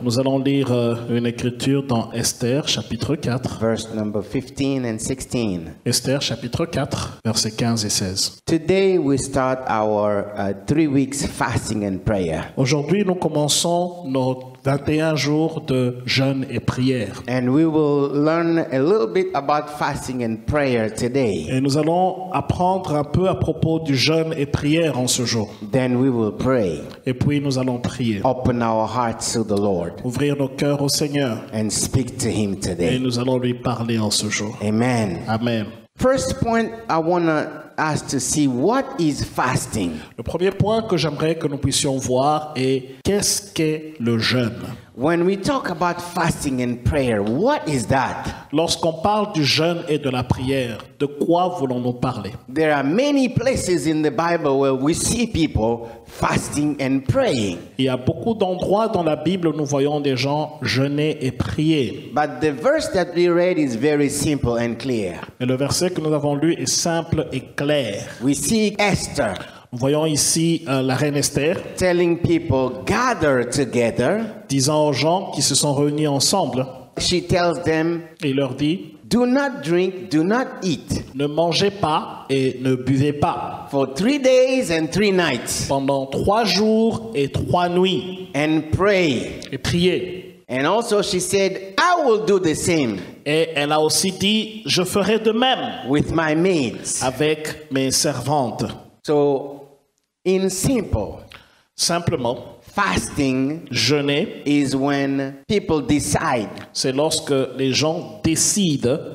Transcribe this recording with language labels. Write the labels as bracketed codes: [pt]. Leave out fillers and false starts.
[fr] Nous allons lire une écriture dans Esther chapitre 4. [en] Verse number 15 and 16. [fr] Esther chapitre 4, versets 15 et 16. [en] Today we start our 3 weeks fasting and prayer. [fr] Aujourd'hui nous commençons notre 21 jours de jeûne et prière. [en] And we will learn a little bit about fasting and prayer today. [fr] Et nous allons apprendre un peu à propos du jeûne et prière en ce jour. [en] Then we will pray. [fr] Et puis nous allons prier. [en] Open our hearts to the Lord. [fr] Ouvrir nos cœurs au Seigneur. [en] And speak to him today. [fr] Et nous allons lui parler en ce jour. [en] Amen. [fr] Amen. [en] First point I want to ask to see, what is fasting? [fr] Le premier point que j'aimerais que nous puissions voir est qu'est-ce qu'est le jeûne? [en] When we talk about fasting and prayer, what is that? [fr] Lorsqu'on parle du jeûne et de la prière, de quoi voulons-nous parler? [en] There are many places in the Bible where we see people fasting and praying. [fr] Il y a beaucoup d'endroits dans la Bible où nous voyons des gens jeûner et prier. [en] But the verse that we read is very simple and clear. [fr] Mais le verset que nous avons lu est simple et clair. [en] We see Esther. [fr] Nous voyons ici la reine Esther [en] telling people gather together, [fr] disant aux gens qui se sont réunis ensemble. [en] She tells them, [fr] et leur dit, [en] do not drink, do not eat, [fr] ne mangez pas et ne buvez pas, [en] for 3 days and 3 nights, [fr] pendant 3 jours et 3 nuits, [en] and pray, [fr] et priez. [en] And also she said, I will do the same. [fr] Et elle a aussi dit, je ferai de même, [en] with my maids, [fr] avec mes servantes. [en] So, in simple, [fr] simplement, [en] fasting, [fr] jeûner, [en] is when people decide, [fr] c'est lorsque les gens décident,